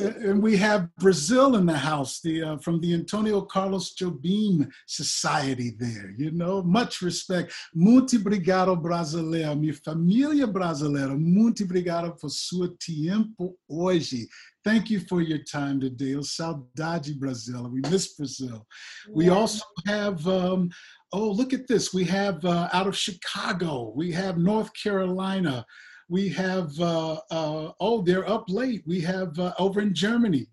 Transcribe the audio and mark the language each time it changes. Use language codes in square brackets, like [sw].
[en] And we have Brazil in the house, from the Antonio Carlos Jobim Society there, you know, much respect. [pt] Muito obrigado, brasileiro. Minha família brasileira. Muito obrigado por seu tempo hoje. [en] Thank you for your time today. [pt] Saudade, Brasil. [en] We miss Brazil. Yeah. We also have, look at this. We have out of Chicago. We have North Carolina. We have, they're up late. We have over in Germany.